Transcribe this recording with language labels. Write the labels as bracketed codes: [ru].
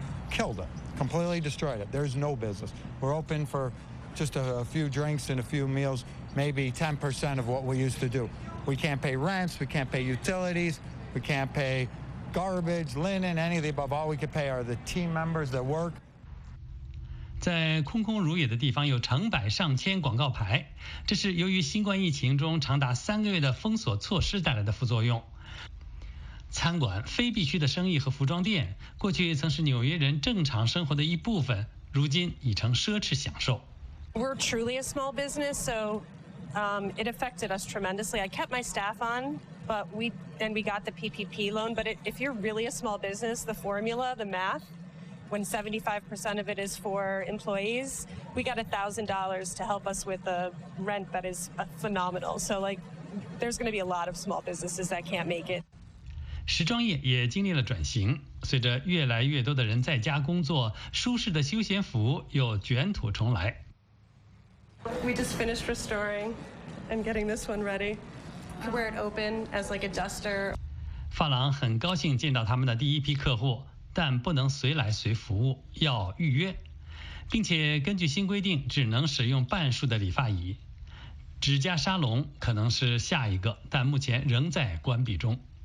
[en] Killed it. Completely destroyed it. There's no business. We're open for... just a few drinks and a few meals, maybe 10% of what we used to do. We can't pay rents, we can't pay utilities, we can't pay garbage, linen, any of the above. All we can pay are the team members that work. [zh] 在空空如也的地方有成百上千广告牌，这是由于新冠疫情中长达3个月的封锁措施带来的副作用。餐馆、非必需的生意和服装店，过去曾是纽约人正常生活的一部分，如今已成奢侈享受。 [en] We're truly a small business, so it affected us tremendously. I kept my staff on, but we got the PPP loan. But if you're really a small business, the formula, the math, when 75% of it is for employees, we got $1,000 to help us with the rent that is phenomenal. So like, there's going to be a lot of small businesses that can't make it. [zh] 时装业也经历了转型，随着越来越多的人在家工作，舒适的休闲服又卷土重来。 [en] We just finished restoring and getting this one ready. Wear it open as like a duster. [zh] 发廊很高兴见到他们的第一批客户，但不能随来随服务，要预约，并且根据新规定只能使用半数的理发椅。指甲沙龙可能是下一个，但目前仍在关闭中。